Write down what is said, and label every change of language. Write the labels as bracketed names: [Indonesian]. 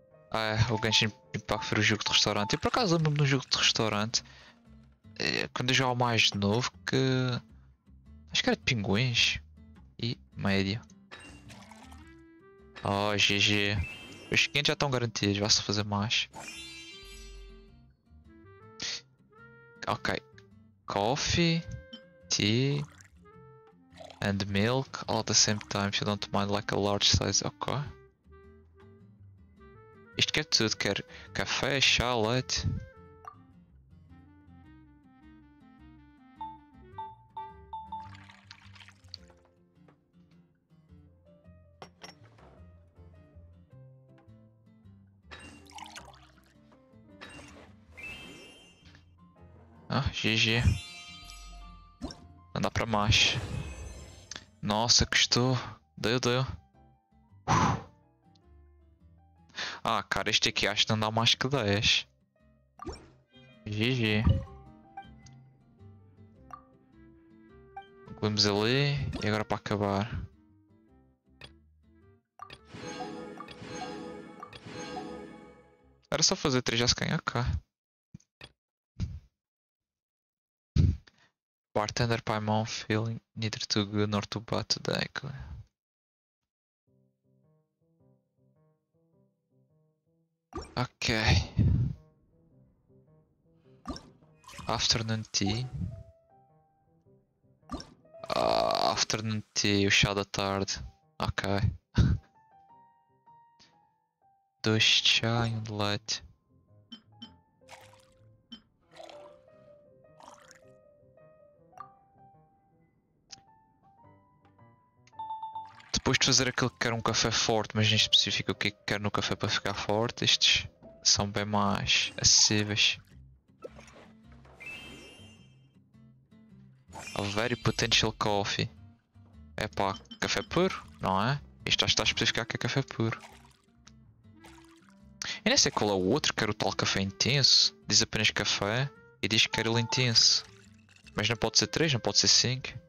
[Portuguese] Ah, o Genshin Impact foi o jogo de restaurante. Eu por acaso lembro-me de um jogo de restaurante. Quando eu jogava mais de novo, que. Acho que era de pinguins. E média. Oh, GG. Os skins já estão garantidos, vai-se fazer mais. Ok. [English] Coffee, tea, and milk all at the same time, if you don't mind like a large size. [Portuguese] Ok. Isto quer tudo, quer café, chá, leite. Ah, GG. Não dá para mais. Nossa, custou. Deu, deu. Ah, cara, este aqui acho que não dá mais que 10. GG. Vamos ali e agora para acabar. Era só fazer 3 já se ganha cá. [English] Bartender by my own feeling, neither too good nor too bad today. [Portuguese] Ok. [English] Afternoon tea. Afternoon tea, [Portuguese] o chá da tarde. Ok. Dois chá e um leite. Depois de fazer aquilo que quer um café forte, mas em específico o que quer no café para ficar forte, estes são bem mais acessíveis. [English] A very potential coffee. [Portuguese] É pá, café puro, não é? Isto está a especificar que é café puro. E nem sei qual é o outro, quer o tal café intenso. Diz apenas café e diz que quer ele intenso. Mas não pode ser 3, não pode ser 5.